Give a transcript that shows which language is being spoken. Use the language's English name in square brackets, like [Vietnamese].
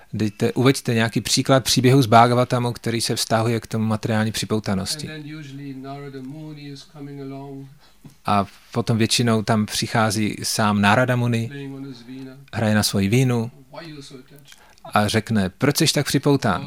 [Czech] Dejte, uveďte nějaký příklad příběhu z Bhagavatamu, který se vztahuje k tomu materiální připoutanosti. [English] And then usually Narada Muni is coming along. [Czech] A potom většinou tam přichází sám Narada Muni, [English] playing on his vina. [Czech] Hraje na svoji vínu. [English] Why are you so attached? [Czech] A řekne, proč jsi tak připoután?